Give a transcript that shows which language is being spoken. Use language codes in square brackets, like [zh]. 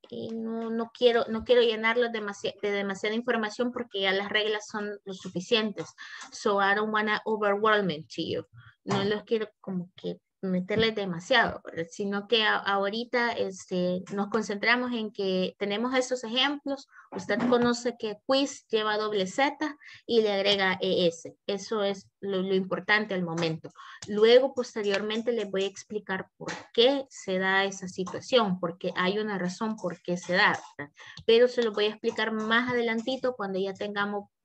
[es] Y no quiero llenarlos de demasiada información porque ya las reglas son lo suficientes. [en] So I don't want to overwhelm to you. [es] No los quiero como que meterles demasiado, ¿verdad? Sino que ahorita nos concentramos en que tenemos esos ejemplos. Usted conoce que quiz lleva doble Z y le agrega ES. Eso es lo importante al momento. Luego, posteriormente, les voy a explicar por qué se da esa situación, porque hay una razón por qué se da, ¿verdad? Pero se lo voy a explicar más adelantito cuando ya tengamos